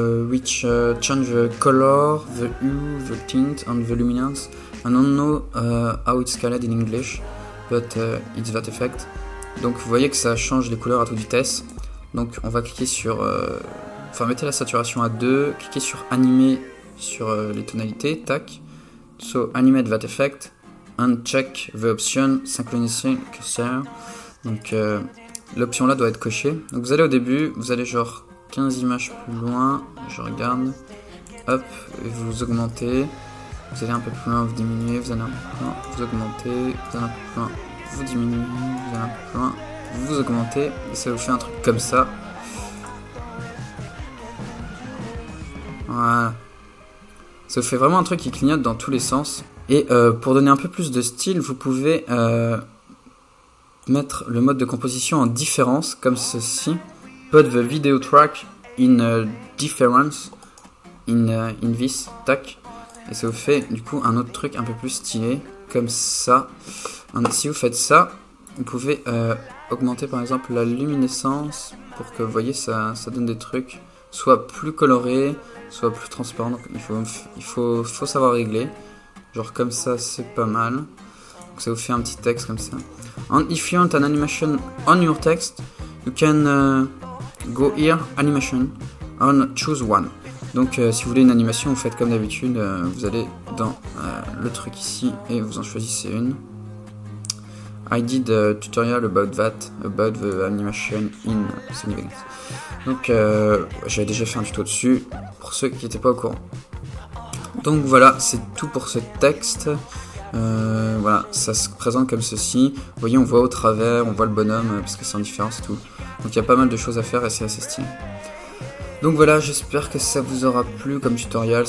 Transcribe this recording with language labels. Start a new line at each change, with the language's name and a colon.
English: which change the color, the hue, the tint, and the luminance. I don't know how it's called in English, but it's that effect.
French: Donc vous voyez que ça change les couleurs à toute vitesse. Donc on va cliquer sur... Enfin, mettez la saturation à 2, cliquez sur animer sur les tonalités, tac.
English: So, animate that effect, and check the option, synchronize cursor.
French: Donc l'option là doit être cochée. Donc vous allez au début, vous allez genre... 15 images plus loin, je regarde, hop, et vous augmentez, vous allez un peu plus loin, vous diminuez, vous allez un peu plus loin, vous augmentez, vous allez un peu plus loin, vous diminuez, vous allez un peu plus loin, vous augmentez, et ça vous fait un truc comme ça. Voilà. Ça vous fait vraiment un truc qui clignote dans tous les sens. Et pour donner un peu plus de style, vous pouvez mettre le mode de composition en différence, comme ceci.
English: Put the video track in a difference in this, tac.
French: Et ça vous fait du coup un autre truc un peu plus stylé, comme ça. Alors, si vous faites ça, vous pouvez augmenter par exemple la luminescence pour que vous voyez ça donne des trucs soit plus colorés, soit plus transparents. Donc il faut savoir régler. Genre comme ça, c'est pas mal. Donc ça vous fait un petit texte comme ça.
English: And if you want an animation on your text, you can. Go here, animation, and choose one.
French: Donc si vous voulez une animation, vous faites comme d'habitude, vous allez dans le truc ici et vous en choisissez une.
English: I did a tutorial about that, about the animation in Sony Vegas.
French: Donc j'avais déjà fait un tuto dessus, pour ceux qui n'étaient pas au courant. Donc voilà, c'est tout pour ce texte. Voilà, ça se présente comme ceci. Vous voyez, on voit au travers, on voit le bonhomme, parce que c'est en différence tout. Donc il y a pas mal de choses à faire et c'est assez stylé. Donc voilà, j'espère que ça vous aura plu comme tutoriel.